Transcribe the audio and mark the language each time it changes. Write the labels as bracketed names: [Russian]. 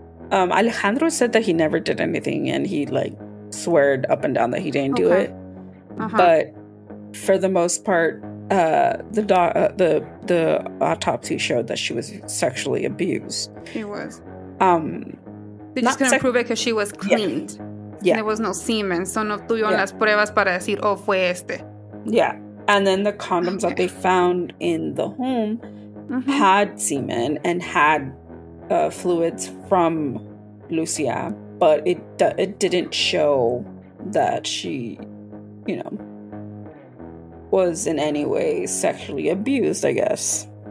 [English] Alejandro said that he never did anything and he, like, sweared up and down that he didn't do it. Uh-huh. But for the most part, the autopsy showed that she was sexually abused. She was. They just couldn't prove it because she was cleaned. Yeah. There was no semen. [Spanish] So no tuvieron las pruebas para decir, oh, fue este. [English] Yeah. And then the condoms that they found in the home had semen and had fluids from Lucia, but it didn't show that she, you know, was in any way sexually abused, I guess.